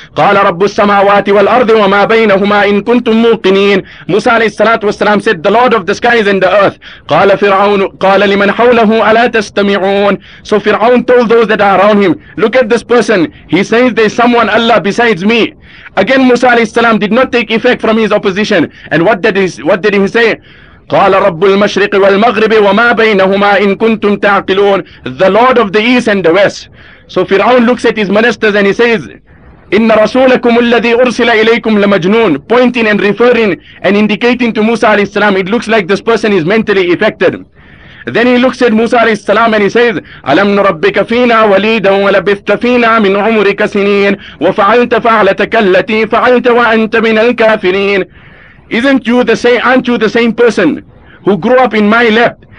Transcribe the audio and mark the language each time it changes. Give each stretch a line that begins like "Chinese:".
Arabic: قَالَ رَبُّ السَّمَاوَاتِ وَالْأَرْضِ وَمَا بَيْنَهُمَا إِن كُنْتُم مُوقِنِينَ,
English: Musa alayhi salatu wasalam said, the Lord of the skies and the earth.
Arabic: قَالَ فِرْعَوْنُ قَالَ لِمَنْ حَوْلَهُ أَلَا تَسْتَمِعُونَ,
English: so Fir'aun told those that are around him, look at this person, he says there's someone Allah besides me. Again Musa alayhi salam did not take effect from his opposition, and what did he say?
Arabic: قَالَ رَبُّ الْمَشْرِقِ وَالْمَغْرِبِ وَمَا بَيْنَهُمَا إِن كُنْتُمْ تَعْقِلُونَ,
English: the Lord of the East and the West. So Fir'aun looks at his ministers and he says,
Arabic: إِنَّ رَسُولَكُمُ الَّذِي أُرْسِلَ إِلَيْكُمْ لَمَجْنُونَ,
English: pointing and referring and indicating to Musa alayhi salam, it looks like this person is mentally affected. Then he looks at Musa alayhi salam and he says,
Arabic: أَلَمْ نُرَبِّكَ فِينَا وَلِيدًا وَلَبِثْتَ فِينَا مِنْ عُمُرِكَ سِنِينَ وَفَعَلْتَ فَعْلَتَكَ الَّتِي فَعَلْتَ وَأَنْتَ مِنَ الْكَافِرِينَ,
English: aren't you the same person who grew up in my lap?